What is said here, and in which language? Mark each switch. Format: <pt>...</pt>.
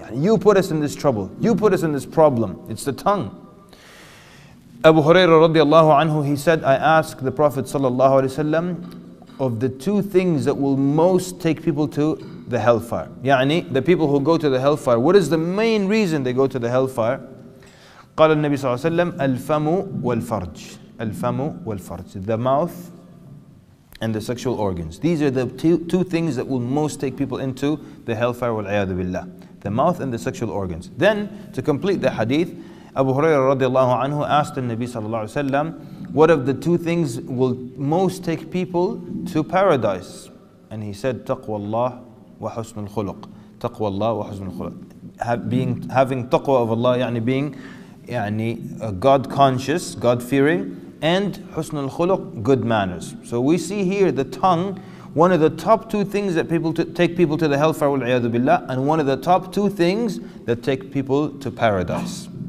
<en>You put us in this trouble. You put us in this problem. It's the tongue. Abu Hurairah radiallahu anhu, he said, I asked the Prophet Sallallahu Alaihi Wasallam, of the two things that will most take people to the hellfire.</en> <ar>يعني,</ar> <en>the people who go to the hellfire, what is the main reason they go to the hellfire?</en> <ar>قال النبي صلى الله عليه وسلم الفم والفرج. الفم والفرج.</ar> <en>The mouth and the sexual organs. These are the two things that will most take people into the hellfire</en> <ar>والعياذ بالله.</ar> <en>The mouth and the sexual organs. Then, to complete the hadith, Abu Hurairah radiallahu anhu asked the Nabi</en> <ar>صلى الله عليه وسلم,</ar> <en>what of the two things will most take people to paradise? And he said,</en> <ar>تَقْوَى اللَّهِ وَحُسْنُ الْخُلُقِ. تَقْوَى اللَّهِ وَحُسْنُ الْخُلُقِ.</ar> <en>Having taqwa of Allah,</en> <ar>يعني</ar> <en>being يعني God conscious, God fearing, and</en> <ar>حسن الخلق,</ar> <en>good manners. So we see here the tongue, one of the top two things that people take people to the hellfire,</en> <ar>والعياذ بالله,</ar> <en>and one of the top two things that take people to paradise.</en>